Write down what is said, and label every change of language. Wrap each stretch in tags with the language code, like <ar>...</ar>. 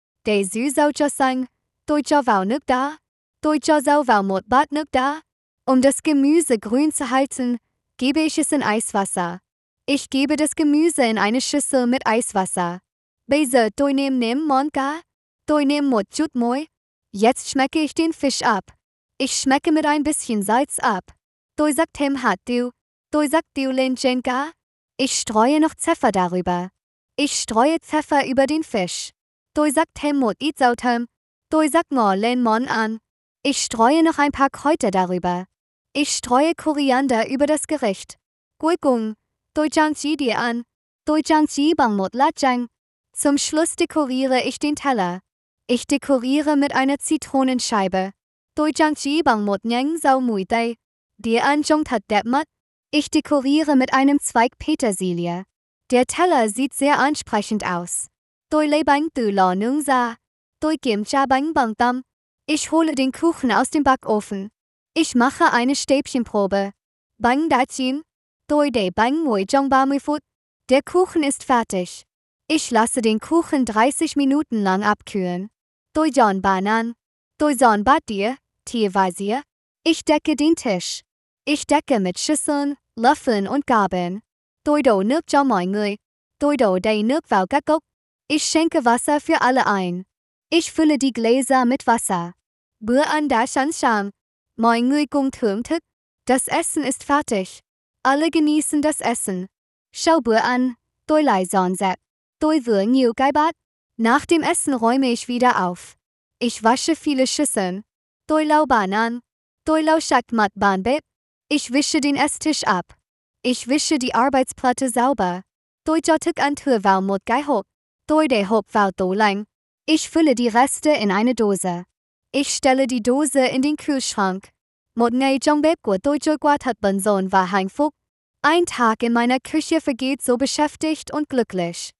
<vi>Để giữ rau cho xanh, tôi cho vào nước đá. Tôi cho rau vào một bát nước đá.</vi> <de>Das Gemüse grün zu halten, gebe ich es in Eiswasser. Ich gebe das Gemüse in eine Schüssel mit Eiswasser.</de> <vi>Bây giờ tôi nêm nếm món cá. Tôi nêm một chút muối.</vi> <de>Jetzt schmecke ich den Fisch ab. Ich schmecke mit ein bisschen Salz ab.</de> <vi>Tôi rắc thêm hạt tiêu. Tôi rắc tiêu lên trên cá.</vi> <de>Ich streue noch Pfeffer darüber. Ich streue Pfeffer über den Fisch.</de> <vi>Tôi rắc thêm một ít rau thơm. Tôi rắc ngò lên món ăn.</vi> <de>Ich streue noch ein paar Kräuter darüber. Ich streue Koriander über das Gericht.</de> <vi>Cuối cùng, tôi trang trí đĩa ăn. Tôi trang trí bằng một lá chanh.</vi> <de>Zum Schluss dekoriere ich den Teller. Ich dekoriere mit einer Zitronenscheibe.</de> <vi>Tôi trang trí bằng một nhánh rau mùi tây. Đĩa ăn trông thật đẹp mắt.</vi> <de>Ich dekoriere mit einem Zweig Petersilie. Der Teller sieht sehr ansprechend aus.</de> <vi>Tôi lấy bánh từ lò nướng ra. Tôi kiểm tra bánh bằng tăm.</vi> <de>Ich hole den Kuchen aus dem Backofen. Ich mache eine Stäbchenprobe.</de> <vi>Bánh đã chín. Tôi để bánh nguội trong 30 phút.</vi> <de>Der Kuchen ist fertig. Ich lasse den Kuchen 30 Minuten lang abkühlen.</de> <vi>Tôi dọn bàn ăn. Tôi dọn bát đĩa, thìa và dĩa.</vi> <de>Ich decke den Tisch. Ich decke mit Schüsseln, Löffeln und Gabeln.</de> <vi>Tôi đổ nước cho mọi người. Tôi đổ đầy nước vào các cốc.</vi> <de>Ich schenke Wasser für alle ein. Ich fülle die Gläser mit Wasser.</de> <vi>Bữa ăn đã sẵn sàng. Mọi người cùng thưởng thức.</vi> <de>Das Essen ist fertig. Alle genießen das Essen.</de> <vi>Sau bữa ăn, tôi lại dọn dẹp. Tôi vừa nhiều cái bát.</vi> <de>Nach dem Essen räume ich wieder auf. Ich wasche viele Schüsseln.</de> <vi>Tôi lau bàn ăn. Tôi lau sạch mặt bàn bếp.</vi> <de>Ich wische den Esstisch ab. Ich wische die Arbeitsplatte sauber.</de> <vi>Tôi cho thức ăn thừa vào một cái hộp. Tôi để hộp vào tủ lạnh.</vi> <de>Ich fülle die Reste in eine Dose. Ich stelle die Dose in den Kühlschrank.</de> <vi>Một ngày trong bếp của tôi trôi qua thật bận rộn và hạnh phúc.</vi> <de>Ein Tag in meiner Küche vergeht so beschäftigt und glücklich.</de>